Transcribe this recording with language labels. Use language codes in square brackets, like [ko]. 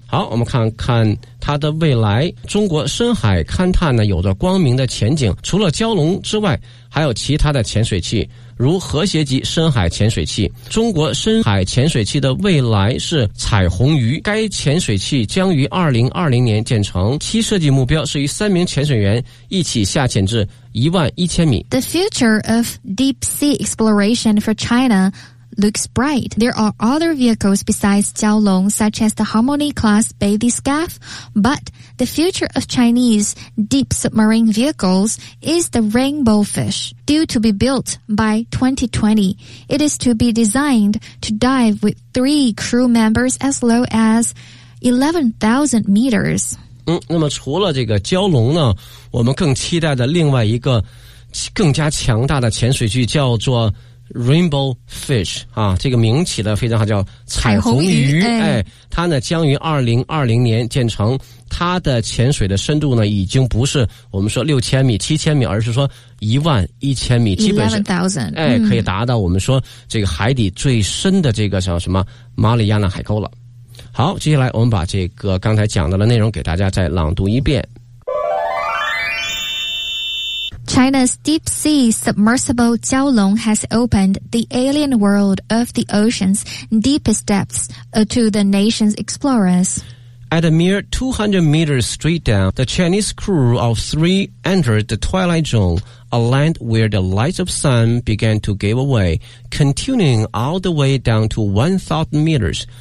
[zh] 好，我们看看它的未来。中国深海勘探呢有着光明的前景，除了蛟龙之外还有其他的潜水器，如和谐级深海潜水器。中国深海潜水器的未来是彩虹鱼，该潜水器将于2020年建成，其设计目标是与三名潜水员一起下潜至11000米。 [en] The future of deep sea exploration for China looks bright. There are other vehicles besides 蛟龙 such as the Harmony class bathy scaf, but the future of Chinese deep submarine vehicles is the Rainbow Fish. Due to be built by 2020, it is to be designed to dive with 3 crew members as low as 11,000 meters. [zh] 那么除了这个蛟龙呢，我们更期待的另外一个更加强大的潜水器叫做 Rainbow Fish 啊，这个名起的非常好，叫彩虹鱼。哎，它呢将于2020年建成，它的潜水的深度呢已经不是我们说6000米、7000米，而是说11000米，基本上 11,000, 哎，可以达到我们说这个海底最深的这个叫什么马里亚纳海沟了。好，接下来我们把这个刚才讲到的内容给大家再朗读一遍。 [en] China's deep sea submersible 蛟龙 has opened the alien world of the ocean's deepest depths to the nation's explorers. At a mere 200 meters straight down, the Chinese crew of three entered the twilight zone, a land where the light of sun began to give away, continuing all the way down to 1,000 meters.